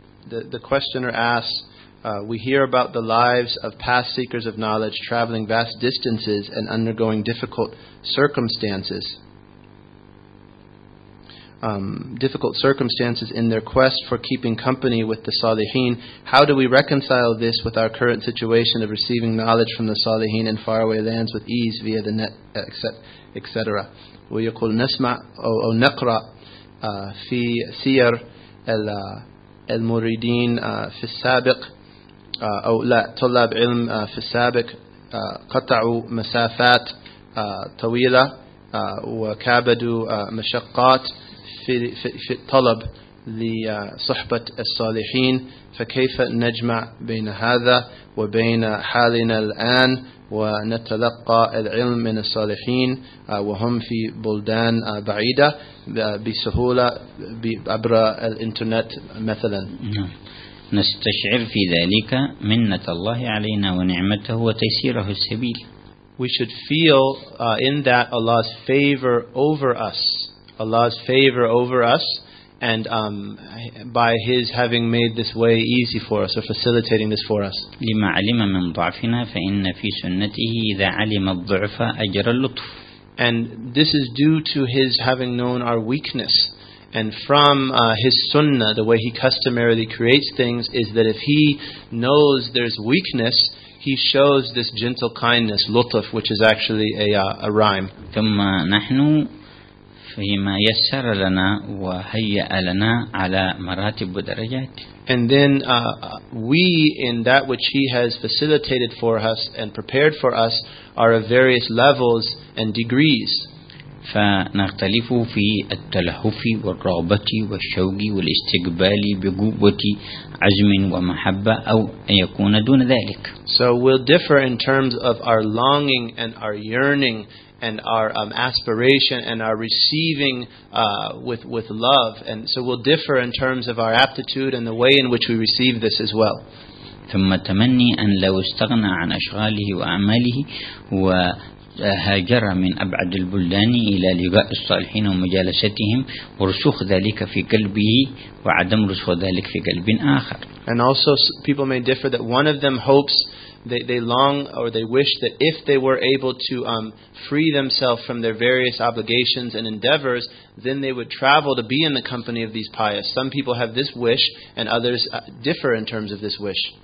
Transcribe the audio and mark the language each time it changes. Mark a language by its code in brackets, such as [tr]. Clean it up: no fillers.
[en] the questioner asks, we hear about the lives of past seekers of knowledge traveling vast distances and undergoing difficult circumstances. Difficult circumstances in their quest for keeping company with the Salihin. How do we reconcile this with our current situation of receiving knowledge from the Salihin in faraway lands with ease via the net, etc.? [ar] ويقول نسمع أو نقرأ في سير المريدين في السابق أو لا طلاب علم في السابق قطعوا مسافات طويلة وكابدوا مشقات في الطلب لصحبة الصالحين فكيف نجمع بين هذا وبين حالنا الآن ونتلقى العلم من الصالحين وهم في بلدان بعيدة بسهولة عبر الإنترنت مثلا. نستشعر في ذلك منة الله علينا ونعمته وتيسيره السبيل. [en] We should feel in that Allah's favor over us. Allah's favor over us, and by His having made this way easy for us or facilitating this for us. [ar] لما علم من ضعفنا فإن في سنته إذا علم الضعف أجر اللطف. [en] And this is due to His having known our weakness, and from His sunnah, the way He customarily creates things is that if He knows there's weakness, He shows this gentle kindness, lutf, which is actually a rhyme. [ar] ثم نحن فيما يسر لنا وهيأ لنا على مراتب ودرجات. [en] And then we, in that which He has facilitated for us and prepared for us, are of various levels and degrees. [ar] فنختلف في التلهف والرغبة والشوق والاستقبال بقوة عزم ومحبة أو يكون دون ذلك. [en] So we'll differ in terms of our longing and our yearning and our aspiration and our receiving with love. And so we'll differ in terms of our aptitude and the way in which we receive this as well. [ar] ثم تمني أن لو استغنى عن أشغاله وأعماله و هاجر من أبعد البلدان إلى لقاء الصالحين ومجالستهم ورسوخ ذلك في قلبه وعدم رسوخ ذلك في قلب آخر. [en] And also people may differ that one of them hopes, they long or they wish that if they were able to free themselves from their various obligations and endeavors, then they would travel to be in the company of these pious. Some people have this wish and others differ in terms of this wish.